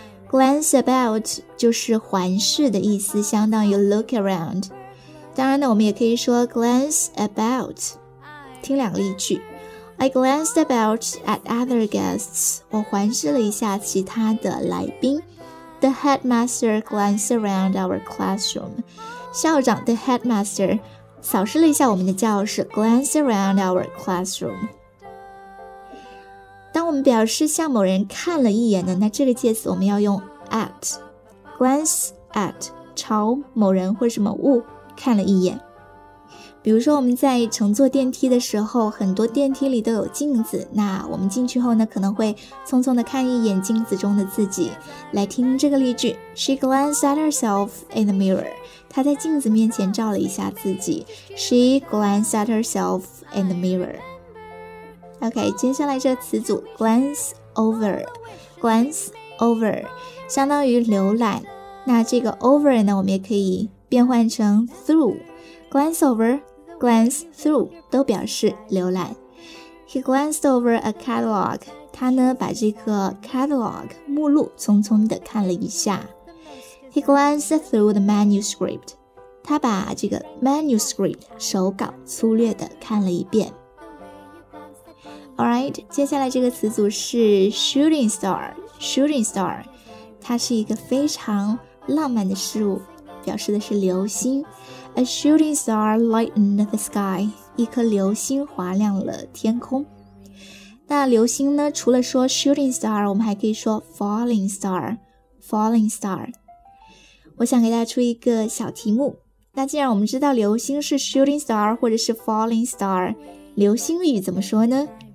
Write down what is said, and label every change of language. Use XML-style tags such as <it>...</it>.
<zh>glance about 就是环视的意思，相当于</zh> <en>look around。</en> <zh>当然呢，我们也可以说 glance about。听两个例句</zh> <en>：I glanced about at other guests。</en> <zh>我环视了一下其他的来宾。</zh> <en>The headmaster glanced around our classroom。</en> <zh>校长 the headmaster 扫视了一下我们的教室 ，</zh> <en>glanced around our classroom。</en> <zh>当我们表示向某人看了一眼的，那这个介词我们要用 at。 glance at 朝某人或什么物看了一眼。比如说我们在乘坐电梯的时候，很多电梯里都有镜子，那我们进去后呢，可能会匆匆地看一眼镜子中的自己。来听这个例句</zh> <en>She glanced at herself in the mirror。</en> <zh>她在镜子面前照了一下自己。</zh> <en>She glanced at herself in the mirror。</en> <zh>OK， 接下来这个词组 glance over。glance over 相当于浏览，那这个 over 呢，我们也可以变换成 throughglance over, glance through 都表示浏览。</zh> <en>He glanced over a catalog，</en> <zh>他呢把这个 catalog 目录匆匆地看了一下。</zh> <en>He glanced through the manuscript，</en> <zh>他把这个 manuscript 手稿粗略地看了一遍。 Alright， 接下来这个词组是 shooting star。 shooting star 它是一个非常浪漫的事物，表示的是流星。</zh> <en>A shooting star lightened the sky，</en> <zh>一颗流星划亮了天空。那流星呢，除了说 shooting star， 我们还可以说 falling star， falling star。我想给大家出一个小题目，那既然我们知道流星是 shooting star 或者是 falling star， 流星雨怎么说呢？</zh>